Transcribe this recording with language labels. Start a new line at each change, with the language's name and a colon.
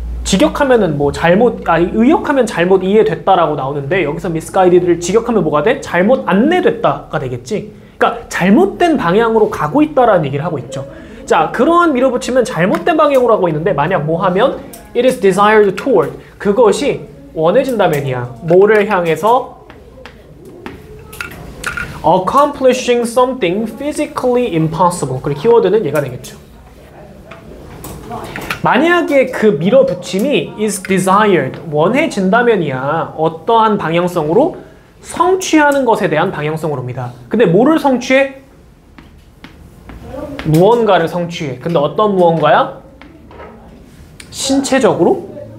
Korean: 직역하면은 뭐 잘못, 아니 의역하면 잘못 이해됐다라고 나오는데 여기서 misguided를 직역하면 뭐가 돼? 잘못 안내됐다가 되겠지. 그러니까 잘못된 방향으로 가고 있다라는 얘기를 하고 있죠. 자, 그러한 밀어붙임은 잘못된 방향으로 하고 있는데 만약 뭐 하면
English: It is desired toward.
Korean: 그것이 원해진다면이야. 뭐를 향해서?
English: Accomplishing something physically impossible.
Korean: 그리고 키워드는 얘가 되겠죠. 만약에 그 밀어붙임이 is desired, 원해진다면이야. 어떠한 방향성으로? 성취하는 것에 대한 방향성으로입니다. 근데 뭐를 성취해? 무언가를 성취해. 근데 어떤 무언가야? 신체적으로?